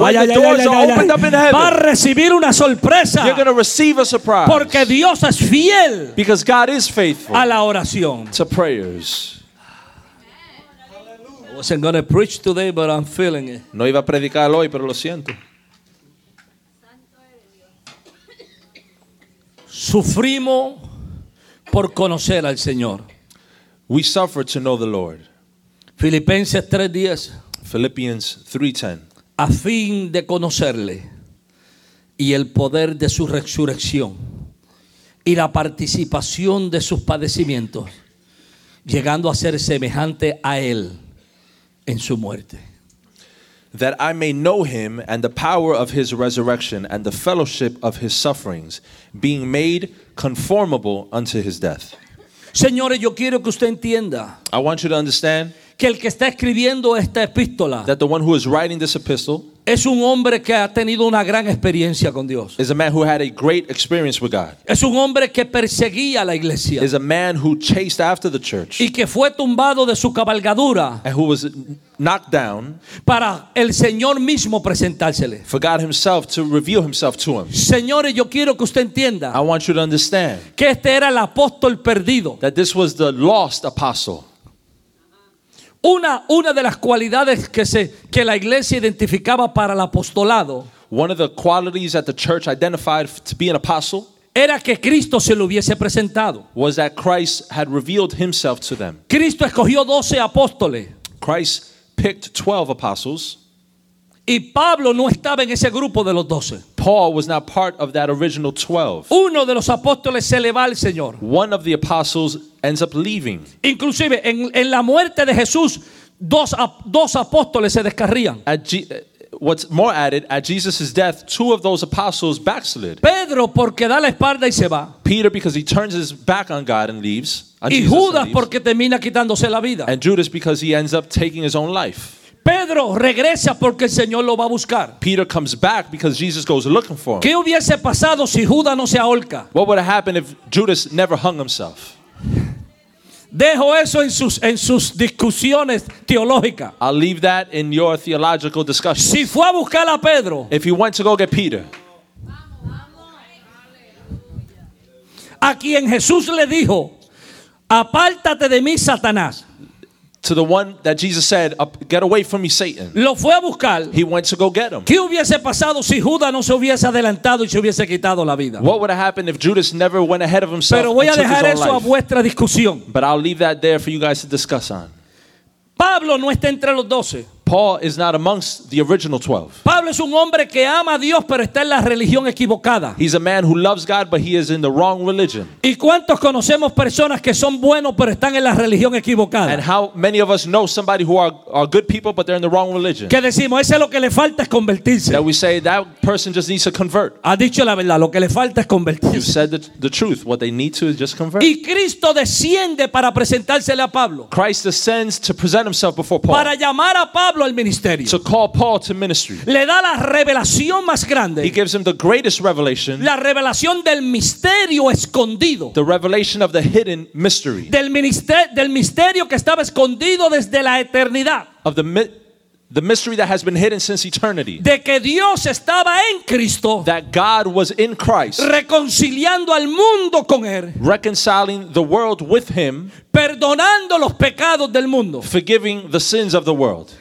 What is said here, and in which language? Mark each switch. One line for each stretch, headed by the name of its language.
English: When the doors are opened up in heaven.
Spanish: Va a recibir una sorpresa.
English: You're going to receive a surprise.
Spanish: Porque Dios es fiel.
English: Because God is faithful.
Spanish: A la oración.
English: To prayers. I wasn't going to preach today, but I'm feeling it.
Spanish: No iba a predicar hoy, pero lo siento. Sufrimos por conocer al Señor.
English: We suffer to know the Lord.
Spanish: Filipenses 3:10.
English: Philippians 3:10.
Spanish: A fin de conocerle y el poder de su resurrección y la participación de sus padecimientos, llegando a ser semejante a él en su muerte.
English: That I may know him and the power of his resurrection and the fellowship of his sufferings, being made conformable unto his death.
Spanish: Señores, yo quiero que usted entienda.
English: I want you to understand.
Spanish: Que el que está escribiendo esta epístola.
English: That the one who is writing this epistle.
Spanish: Es un hombre que ha tenido una gran experiencia con Dios.
English: Is a man who had a great experience with God.
Spanish: Es un hombre que perseguía la iglesia.
English: Is a man who chased after the church.
Spanish: Y que fue tumbado de su cabalgadura.
English: And who was knocked down.
Spanish: Para el Señor mismo presentársele.
English: For God himself to reveal himself to him.
Spanish: Señores, yo quiero que usted entienda.
English: I want you to understand.
Spanish: Que este era el apóstol perdido.
English: That this was the lost apostle.
Spanish: Una de las cualidades que la iglesia identificaba para el apostolado.
English: One of the qualities that the church identified to be an apostle.
Spanish: Era que Cristo se lo hubiese presentado.
English: Was that Christ had revealed himself to them.
Spanish: Cristo escogió 12 apóstoles.
English: Christ picked 12 apostles.
Spanish: Y Pablo no estaba en ese grupo de los 12.
English: Paul was not part of that original 12.
Spanish: Uno de los apóstoles se le va al Señor.
English: One of the apostles ends up leaving.
Spanish: Inclusive en la muerte de Jesús, dos apóstoles se descarrían.
English: What's more added, at Jesus' death, two of those apostles backslid.
Spanish: Pedro, porque da la espalda y se va.
English: Peter, because he turns his back on God and leaves.
Spanish: Y Judas, porque termina quitándose la vida.
English: And Judas, because he ends up taking his own life.
Spanish: Pedro regresa porque el Señor lo va a buscar.
English: Peter comes back because Jesus goes looking for him.
Spanish: ¿Qué hubiese pasado si Judas no se ahorca?
English: What would have happened if Judas never hung himself?
Spanish: Dejo eso en sus discusiones teológicas.
English: I'll leave that in your theological discussion.
Spanish: Si fue a buscar a Pedro.
English: If he went to go get Peter.
Spanish: A quien Jesús le dijo, apártate de mí, Satanás.
English: To the one that Jesus said, get away from me, Satan.
Spanish: Lo fue a buscar.
English: He went to go get him.
Spanish: ¿Qué hubiese pasado si Judas no se hubiese adelantado y se hubiese quitado la vida?
English: What would have happened if Judas never went ahead of himself?
Spanish: Pero voy a dejar eso
English: life?
Spanish: A vuestra discusión.
English: But I'll leave that there for you guys to discuss on.
Spanish: Pablo no está entre los 12.
English: Paul is not amongst the original 12.
Spanish: Pablo es un hombre que ama a Dios, pero está en la religión equivocada.
English: He's a man who loves God, but he is in the wrong religion.
Spanish: ¿Y cuántos conocemos personas que son buenos, pero están en la religión equivocada?
English: And how many of us know somebody who are good people, but they're in the wrong religion?
Spanish: Que decimos, ese lo que le falta es convertirse.
English: That we say, that person just needs to convert.
Spanish: Ha dicho la verdad, lo que le falta es convertirse.
English: You said the truth, what they need to is just convert.
Spanish: Y Cristo desciende para presentársele a Pablo.
English: Christ descends to present himself before Paul.
Spanish: Para llamar a Pablo.
English: To call Paul to ministry.
Spanish: Le da la revelación más grande.
English: He gives him the greatest revelation.
Spanish: La revelación del misterio escondido.
English: The revelation of the hidden mystery.
Spanish: Del misterio que estaba escondido desde la eternidad.
English: Of the mystery that has been hidden since eternity.
Spanish: De que Dios estaba en Cristo.
English: That God was in Christ.
Spanish: Reconciliando al mundo con él.
English: Reconciling the world with him.
Spanish: Perdonando los pecados del mundo.
English: Forgiving the sins of the world.